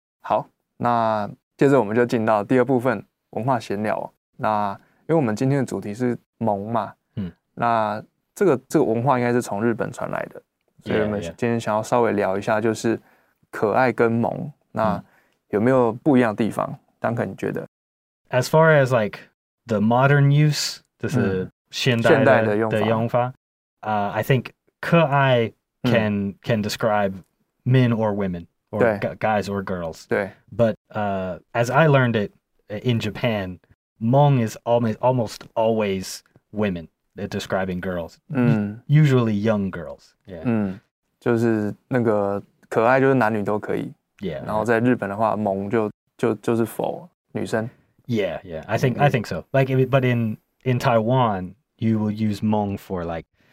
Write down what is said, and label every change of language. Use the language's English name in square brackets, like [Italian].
[Chinese] 好，那接着我们就进到第二部分，文化闲聊、哦、那因为我们今天的主题是萌嘛，嗯，那这个文化应该是从日本传来的，所以我们今天想要稍微聊一下，就是可爱跟萌那有没有不一样的地方。丹肯，你觉得 [English] as far as like the modern use， [Chinese] 就是现代的用法， [English] I think 可爱 can describe men or women or guys or girls. [Chinese] 对。 [English] But as I learned it in Japan, 萌 is almost always women describing girls.、嗯、 usually young girls. Yeah.、 [Chinese] 嗯、就是那个可爱就是男女都可以。 [English] Yeah. [Chinese] 然后在日本的话，萌就是 for 女生。 [English] Yeah, yeah. I think so. Like, but in Taiwan, you will use 萌 for like.